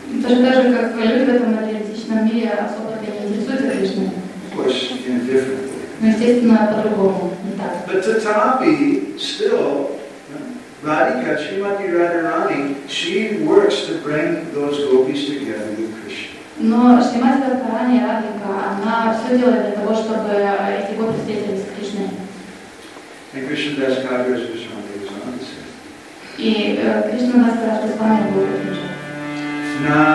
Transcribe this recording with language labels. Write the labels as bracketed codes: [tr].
[en] Of course, in a different way. But Tatapi, still, Radhika, Srimati Radharani, she works to bring those gopis together with Krishna. [ru] Но Шримати Радхарани Радхика, она все делает для того, чтобы эти гопи встретились с Кришной. [en] And Krishna Das Kaviraj Goswami goes on to say. [ru] И Кришна Дас Кавирадж Госвами говорит также.